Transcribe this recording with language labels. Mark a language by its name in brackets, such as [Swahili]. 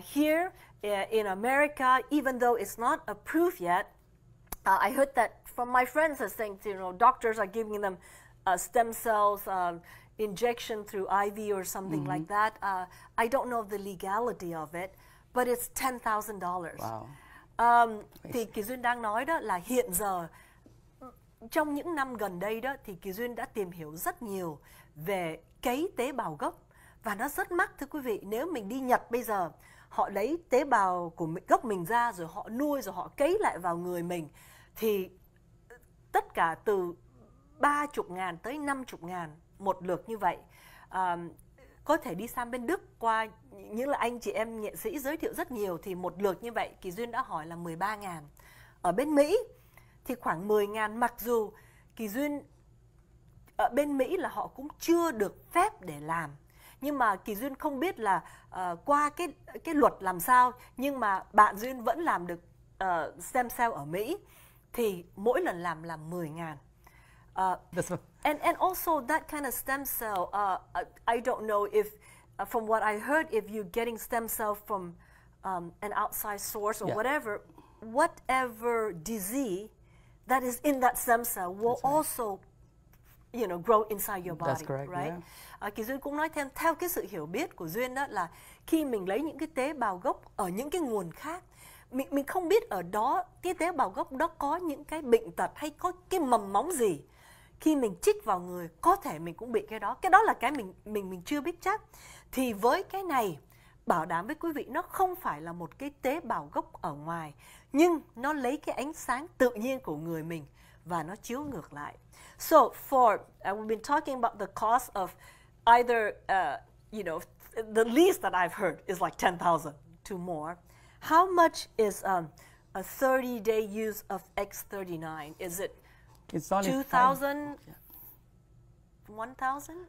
[English] Here in America, even though it's not approved yet, I heard that from my friends are saying, you know, doctors are giving them stem cells injection through IV or something like that. I don't know the legality of it, but it's $10,000. Wow. [Vietnamese] Thì Kỳ Duyên đang nói đó là hiện giờ trong những năm gần đây đó thì Kỳ Duyên đã tìm hiểu rất nhiều về cấy tế bào gốc và nó rất mắc, thưa quý vị. Nếu mình đi Nhật bây giờ, họ lấy tế bào của gốc mình ra rồi họ nuôi rồi họ cấy lại vào người mình thì tất cả từ 30.000 tới 50.000 một lượt như vậy. Có thể đi sang bên Đức qua những là anh chị em nghệ sĩ giới thiệu rất nhiều thì một lượt như vậy Kỳ Duyên đã hỏi là 13.000. Ở bên Mỹ thì khoảng 10.000, mặc dù Kỳ Duyên ở bên Mỹ là họ cũng chưa được phép để làm. Nhưng mà Kỳ Duyên không biết là qua cái luật làm sao, nhưng mà bạn Duyên vẫn làm được stem cell ở Mỹ. Thì mỗi lần làm là 10.000. [English] And also that kind of stem cell, I don't know if, from what I heard, if you're getting stem cell from an outside source or whatever disease that is in that stem cell will also, you know, grow inside your body. That's correct, right? Yeah. [Vietnamese] Kỳ Duyên cũng nói thêm, theo cái sự hiểu biết của Duyên đó là khi mình lấy những cái tế bào gốc ở những cái nguồn khác, mình không biết ở đó cái tế bào gốc đó có những cái bệnh tật hay có cái mầm móng gì. khi mình chích vào người có thể mình cũng bị cái đó. Cái đó là cái mình chưa biết chắc. Thì với cái này, bảo đảm với quý vị, nó không phải là một cái tế bào gốc ở ngoài, nhưng nó lấy cái ánh sáng tự nhiên của người mình và nó chiếu ngược lại. [English] So for we've been talking about the cost of either you know, the least that I've heard is like 10,000 to more. How much is a 30-day use of X39? Is it 2,000? 1,000?